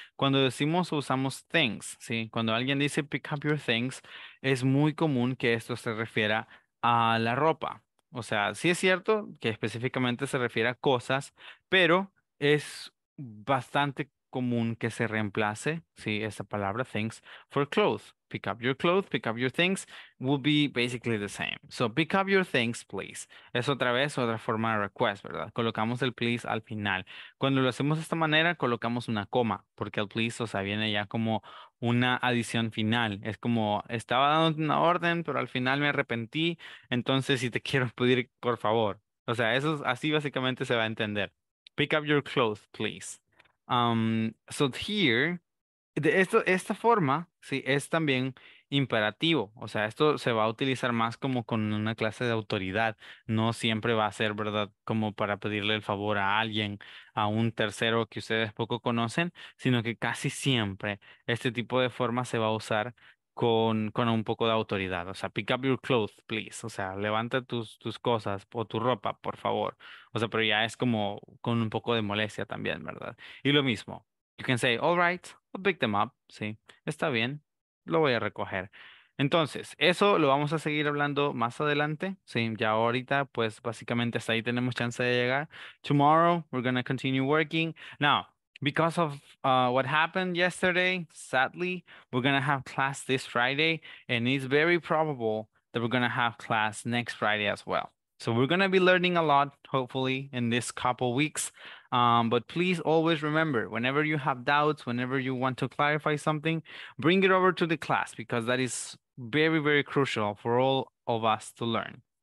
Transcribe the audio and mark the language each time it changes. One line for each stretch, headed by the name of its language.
Spanish: Cuando decimos o usamos things, ¿sí? Cuando alguien dice
English: pick up your things,
Spanish: es muy común que esto se refiera a la ropa. O sea, sí es cierto que específicamente se refiere a cosas, pero es bastante común que se reemplace, sí, esa palabra
English: things for clothes. Pick up your clothes, pick up your things will be basically the same. So pick up your things, please.
Spanish: Es otra vez otra forma de request, ¿verdad? Colocamos el please al final. Cuando lo hacemos de esta manera, colocamos una coma, porque el please, o sea, viene ya como una adición final. Es como, estaba dando una orden, pero al final me arrepentí, entonces si te quiero pedir, por favor. O sea, eso así básicamente se va a entender.
English: Pick up your clothes, please. So here,
Spanish: esta forma, sí, es también imperativo. O sea, esto se va a utilizar más como con una clase de autoridad. No siempre va a ser, ¿verdad?, como para pedirle el favor a alguien, a un tercero que ustedes poco conocen, sino que casi siempre este tipo de forma se va a usar con un poco de autoridad. O sea,
English: pick up your clothes, please.
Spanish: O sea, levanta tus cosas o tu ropa, por favor. O sea, pero ya es como con un poco de molestia también, ¿verdad? Y lo mismo.
English: You can say, all right, I'll pick them up.
Spanish: Sí, está bien, lo voy a recoger. Entonces, eso lo vamos a seguir hablando más adelante. Sí, ya ahorita, pues básicamente hasta ahí tenemos chance de llegar.
English: Tomorrow, we're going to continue working. Now, because of what happened yesterday, sadly, we're going to have class this Friday, and it's very probable that we're going to have class next Friday as well. So we're going to be learning a lot, hopefully, in this couple weeks. But please always remember, whenever you have doubts, whenever you want to clarify something, bring it over to the class, because that is very, very crucial for all of us to learn.